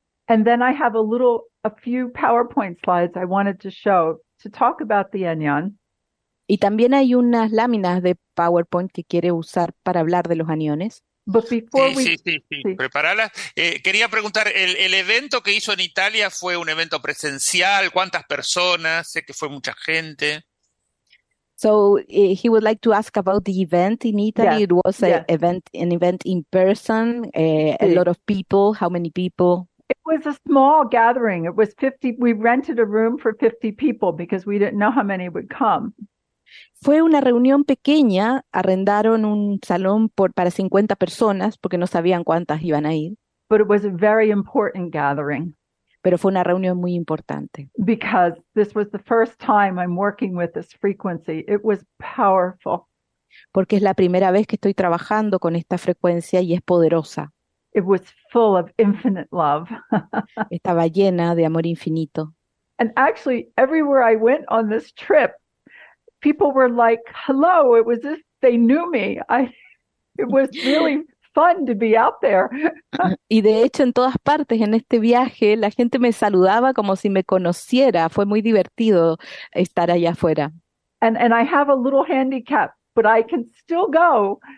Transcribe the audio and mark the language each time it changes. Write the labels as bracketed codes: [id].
[en] And then I have a few PowerPoint slides I wanted to show to talk about the Anyan. [es] Y también hay unas láminas de PowerPoint que quiere usar para hablar de los aniones. Prepáralas. Quería preguntar, ¿el evento que hizo en Italia fue un evento presencial? ¿Cuántas personas? Sé que fue mucha gente. [en] So he would like to ask about the event in Italy. It was an event in person. A lot of people. How many people? It was a small gathering. It was 50. We rented a room for 50 people because we didn't know how many would come. [es] Fue una reunión pequeña, arrendaron un salón para 50 personas porque no sabían cuántas iban a ir. [en] But it was a very important gathering. [es] Pero fue una reunión muy importante. [en] Because this was the first time I'm working with this frequency. It was powerful. [es] Porque es la primera vez que estoy trabajando con esta frecuencia y es poderosa. [en] It was full of infinite love. [es] Estaba llena de amor infinito. [en] And actually, everywhere I went on this trip, people were like, hello, it was just, they knew me. It was really fun to be out there. [es] Y de hecho, en todas partes en este viaje, la gente me saludaba como si me conociera. Fue muy divertido estar allá afuera. [en] And I have a little handicap, but I can still go.